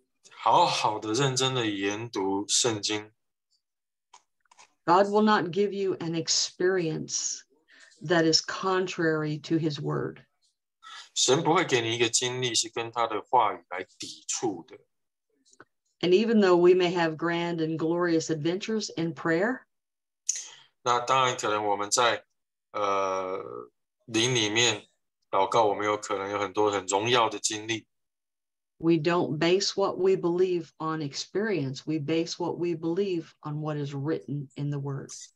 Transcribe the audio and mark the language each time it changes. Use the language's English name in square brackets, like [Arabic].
[Chinese] 好好的认真的研读圣经。 [English] God will not give you an experience that is contrary to His Word. [Chinese] 神不会给你一个经历是跟他的话语来抵触的。 [English] And even though we may have grand and glorious adventures in prayer, [Chinese] 那当然可能我们在 灵里面祷告，我们有可能有很多很荣耀的经历。 [English] We don't base what we believe on experience. We base what we believe on what is written in the Word.